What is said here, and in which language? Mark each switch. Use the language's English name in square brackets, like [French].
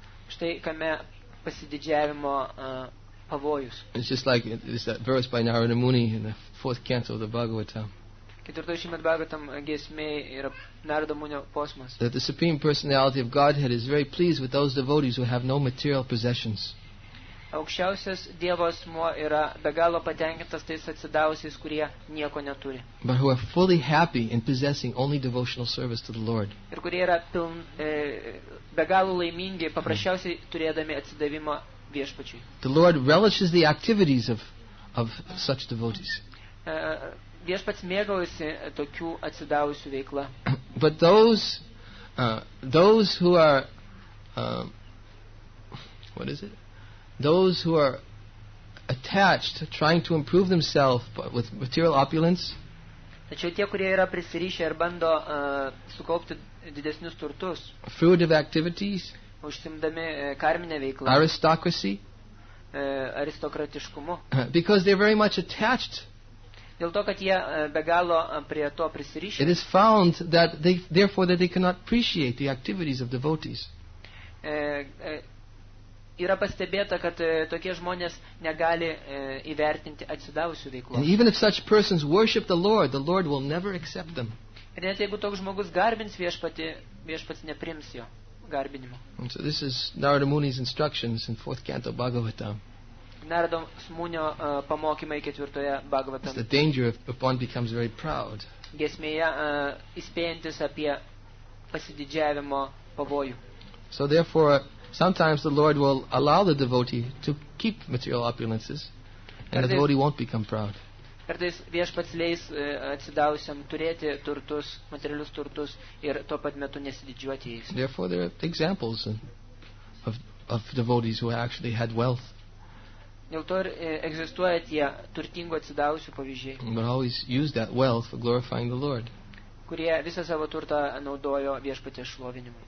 [Lithuanian] Štai kame pasididžiavimo pavojus. [English] It's just like it's that verse by Narada Muni in the fourth canto of the Bhagavatam. [Lithuanian] Ketvirtoje Šrimad Bhagavatam giesmėje yra Narada Munio posmas. [English] That the Supreme Personality of Godhead is very pleased with those devotees who have no material possessions. [Lithuanian] Aukščiausias Dievo asmuo yra be galo patenkintas tais atsidavusiais, kurie nieko neturi. [English] But who are fully happy in possessing only devotional service to the Lord. [Lithuanian] Ir kurie yra be galo laimingi, paprasčiausiai turėdami atsidavimo. [English] The Lord relishes the activities of such devotees. [Lithuanian] Viešpats mėgaujasi tokių atsidavusių veikla. [English] But those who are what is it? Those who are attached, trying to improve themselves with material opulence. [Lithuanian] Tačiau tie, kurie yra prisirišę ir bando sukaupti didesnius turtus. [English] Fruitive activities. [Lithuanian] Užsimdami karminę veiklą. [English] Aristocracy. [Lithuanian] Aristokratiškumu. [English] Because they're very much attached. [Lithuanian] Dėl to, kad jie be galo prie to prisirišę. [English] It is found that they therefore that they cannot appreciate the activities of devotees. [Lithuanian] Yra pastebėta, kad tokie žmonės negali įvertinti atsidavusių veiklos. [English] And even if such persons worship the Lord will never accept them. [Lithuanian] Ir net jeigu toks žmogus garbins viešpatį, viešpats neprims jo. [English] And so this is Narada Muni's instructions in fourth canto Bhagavatam. [Lithuanian] Narada Muni pamokymai ketvirtoje Bhagavatam. [English] It's the danger if one becomes very proud. [Lithuanian] Giesmėje įspėjantis apie pasididžiavimo pavojų. [English] So therefore, sometimes the Lord will allow the devotee to keep material opulences, and the devotee won't become proud. [Lithuanian] Kartais viešpats leis atsidavusiam turėti turtus, materialius turtus ir tuo pat metu nesididžiuoti jais. [English] Therefore there are examples of devotees who actually had wealth. [Lithuanian] Dėl to ir egzistuoja tie turtingų atsidavusių pavyzdžiai. [English] But always use that wealth for glorifying the Lord. [Lithuanian] Kurie visą savo turtą naudojo viešpatės šlovinimu.